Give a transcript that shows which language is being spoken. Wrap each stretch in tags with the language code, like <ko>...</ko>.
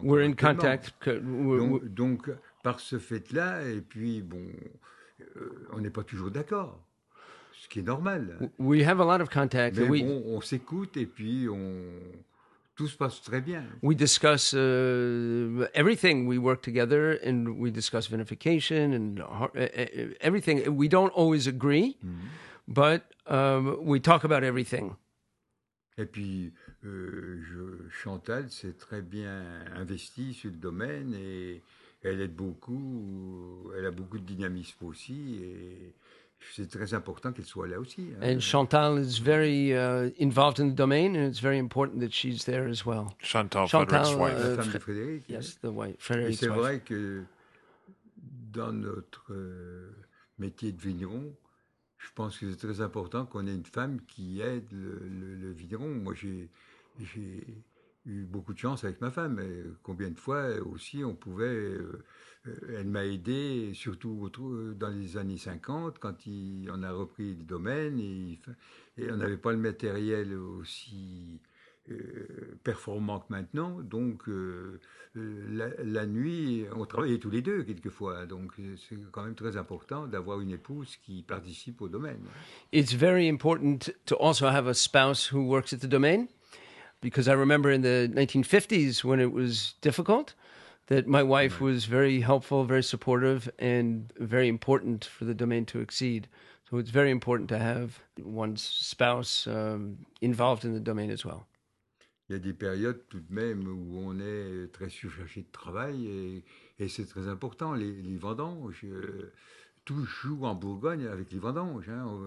<en>We're in contact.</en> <fr>Donc, par ce fait-là, et puis, bon, on n'est pas toujours d'accord. Ce qui est normal.</fr> <en>We have a lot of contact.</en> <fr>Mais bon, on s'écoute et puis tout se passe très bien.</fr> <en>We discuss everything. We work together and we discuss vinification and everything. We don't always agree, but we talk about everything.</en> <fr>Et puis, Chantal s'est très bien investie sur le domaine et elle aide beaucoup. Elle a beaucoup de dynamisme aussi et... C'est très important qu'elle soit là aussi.</fr> <en>And Chantal is very involved in the domain, and it's very important that she's there as well. Chantal Frédéric's wife.</en> <fr>La femme de Frédéric.</fr> <en>Yes, the wife. Frédéric's</en> <fr>et c'est</fr> <en>wife.</en> <fr>Vrai que dans notre métier de vigneron, je pense que c'est très important qu'on ait une femme qui aide le vigneron. Moi, j'ai eu beaucoup de chance avec ma femme. Et combien de fois aussi on pouvait... Elle m'a aidé, surtout dans les années 50, quand on a repris le domaine et on n'avait pas le matériel aussi performant que maintenant. Donc, la nuit, on travaillait tous les deux quelquefois. Donc, c'est quand même très important d'avoir une épouse qui participe au domaine.</fr> <en>It's very important to also have a spouse who works at the domain, because I remember in the 1950s when it was difficult, that my wife was very helpful, very supportive, and very important for the domain to exceed. So it's very important to have one's spouse involved in the domain as well.</en> <fr>Il y a des périodes tout de même où on est très surchargé de travail, et c'est très important. Les vendanges, tout joue en Bourgogne avec les vendanges. Hein.</fr>